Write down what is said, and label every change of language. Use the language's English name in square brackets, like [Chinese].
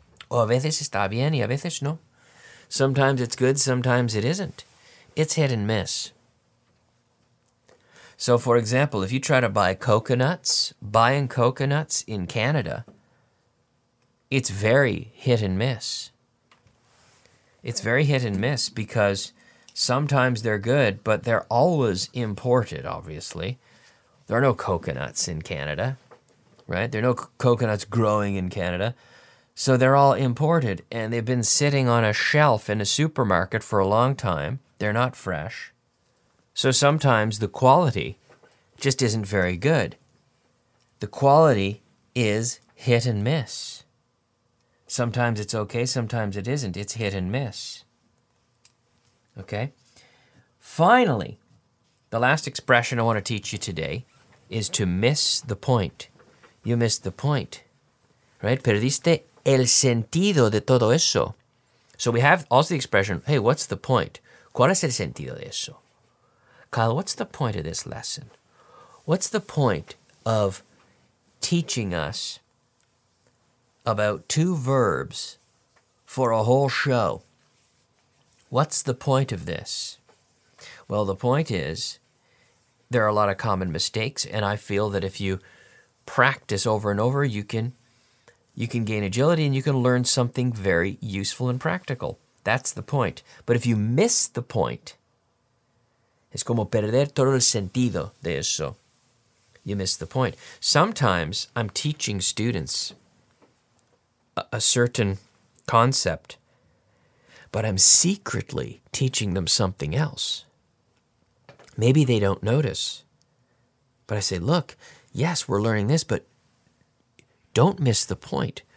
[Spanish] O a veces está bien y a veces no. [English] Sometimes it's good, sometimes it isn't. It's hit and miss. So, for example, if you try to buy coconuts, buying coconuts in Canada, it's very hit and miss. It's very hit and miss because sometimes they're good, but they're always imported, obviously. There are no coconuts in Canada, right? There are no coconuts growing in Canada. So they're all imported, and they've been sitting on a shelf in a supermarket for a long time. They're not fresh. So sometimes the quality just isn't very good. The quality is hit and miss. Sometimes it's okay, sometimes it isn't. It's hit and miss. Okay? Finally, the last expression I want to teach you today is to miss the point. You missed the point. Right? [Spanish] Perdiste el sentido de todo eso. [English] So we have also the expression, hey, what's the point? [Spanish] ¿Cuál es el sentido de eso? [English] Kyle, what's the point of this lesson? What's the point of teaching us about two verbs for a whole show? What's the point of this? Well, the point is there are a lot of common mistakes, and I feel that if you practice over and over, you can gain agility and you can learn something very useful and practical. That's the point. But if you miss the point, [Spanish] es como perder todo el sentido de eso. [English] You miss the point. Sometimes I'm teaching students a certain concept, but I'm secretly teaching them something else. Maybe they don't notice. But I say, look, yes, we're learning this, but don't miss the point.